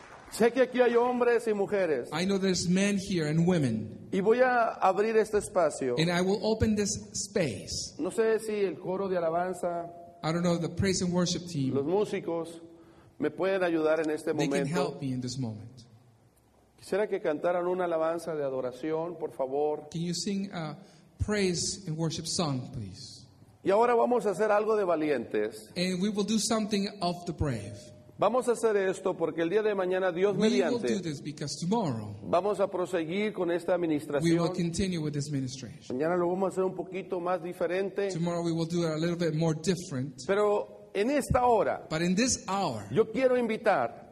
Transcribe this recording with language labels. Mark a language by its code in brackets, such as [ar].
[es] Sé que aquí hay hombres y mujeres. [en] I know there's men here and women. [es] Y voy a abrir este espacio. [en] And I will open this space. [es] No sé si el coro de alabanza, [en] I don't know if the praise and worship team, [es] los músicos, me pueden ayudar en este [en] they [es] momento. [en] They can help me in this moment. [es] Quisiera que cantaran una alabanza de adoración, por favor. [en] Can you sing a praise and worship song, please? [es] Y ahora vamos a hacer algo de valientes. [en] And we will do something of the brave. [es] Vamos a hacer esto porque el día de mañana, Dios mediante, [en] we will do this because tomorrow, [es] vamos a proseguir con esta administración. [en] We will continue with this ministration. [es] Mañana lo vamos a hacer un poquito más diferente. [en] Tomorrow we will do it a little bit more different. [es] Pero en esta hora, [en] but in this hour, [es] yo quiero invitar